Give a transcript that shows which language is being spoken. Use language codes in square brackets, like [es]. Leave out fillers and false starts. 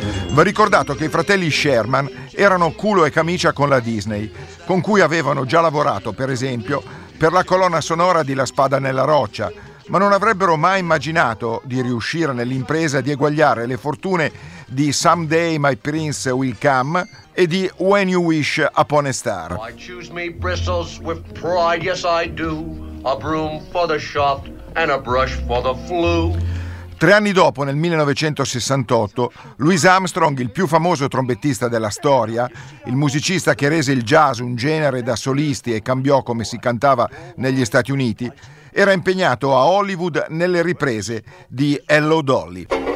[it] Va ricordato che i fratelli Sherman erano culo e camicia con la Disney, con cui avevano già lavorato, per esempio, per la colonna sonora di La spada nella roccia, ma non avrebbero mai immaginato di riuscire nell'impresa di eguagliare le fortune di Someday My Prince Will Come e di When You Wish Upon a Star. [en] I choose me bristles with pride, yes I do, a broom for the shop and a brush for the flue. [it] 3 anni dopo, nel 1968, Louis Armstrong, il più famoso trombettista della storia, il musicista che rese il jazz un genere da solisti e cambiò come si cantava negli Stati Uniti, era impegnato a Hollywood nelle riprese di Hello Dolly.